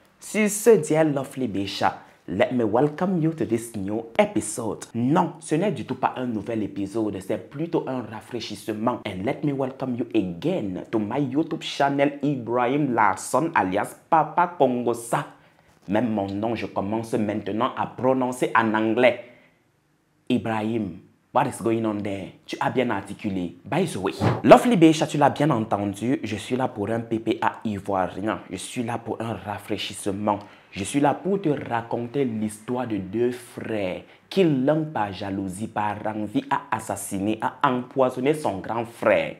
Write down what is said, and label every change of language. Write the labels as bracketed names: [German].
[French] Sur ce, [English] dear lovely Bécha, let me welcome you to this new episode. [French] Non, ce n'est du tout pas un nouvel épisode, c'est plutôt un rafraîchissement. [English] And let me welcome you again to my YouTube channel Ibrahim Larson alias Papa Kongosa. [French] Même mon nom, je commence maintenant à prononcer en anglais. [English] Ibrahim, what is going on there? [French] Tu as bien articulé. [English] By the way. [French] Lovely Bécha, tu l'as bien entendu. Je suis là pour un PPA ivoirien. Je suis là pour un rafraîchissement. Je suis là pour te raconter l'histoire de deux frères qui l'un par jalousie, par envie, a assassiné, a empoisonné son grand frère.